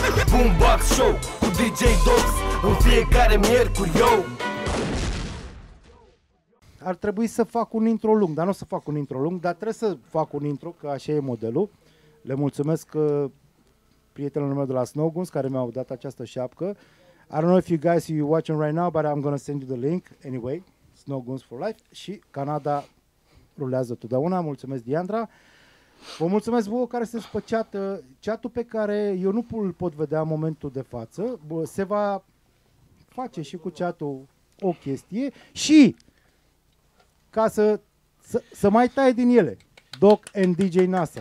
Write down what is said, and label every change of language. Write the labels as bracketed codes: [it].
[ro] Boom Bap Show cu DJ Dox în fiecare miercuri, yo. Ar trebui să fac un intro lung, dar nu o să fac un intro lung, dar trebuie să fac un intro, că așa e modelul. Le mulțumesc că prietenul meu de la Snowguns, care mi-au dat această șapcă. [en] I don't know if you guys are watching right now, but I'm going to send you the link anyway. Snowguns for life. [ro] Și Canada rulează totdeauna. Mulțumesc, Diandra. Vă mulțumesc vouă care sunteți pe chat. Chat-ul pe care eu nu îl pot vedea în momentul de față. Se va face și cu chat-ul o chestie. Și ca să mai taie din ele, Doc and DJ NASA.